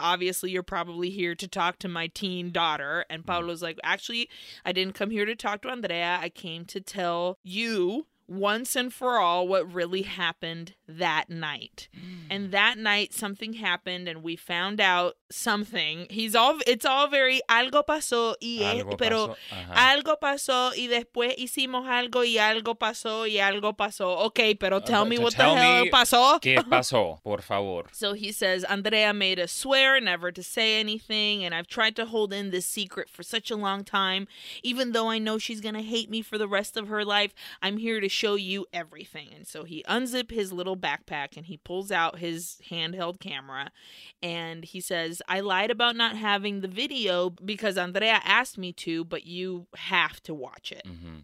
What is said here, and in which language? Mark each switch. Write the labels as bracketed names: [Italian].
[English] Obviously, you're probably here to talk to my teen daughter. And Paolo's like, actually, I didn't come here to talk to Andrea. I came to tell you once and for all what really happened that night. And that night, something happened and we found out something. It's all very [Spanish] algo pasó y algo pasó y después hicimos algo y algo pasó y algo pasó. [English] Okay, [Spanish] pero [English] tell me what tell the hell [Spanish] pasó. ¿Qué pasó, por favor? [English] So he says, Andrea made a swear never to say anything, and I've tried to hold in this secret for such a long time. Even though I know she's going to hate me for the rest of her life, I'm here to show you everything. And so he unzip his little backpack and he pulls out his handheld camera and he says, I lied about not having the video because Andrea asked me to, but you have to watch it. Mm-hmm.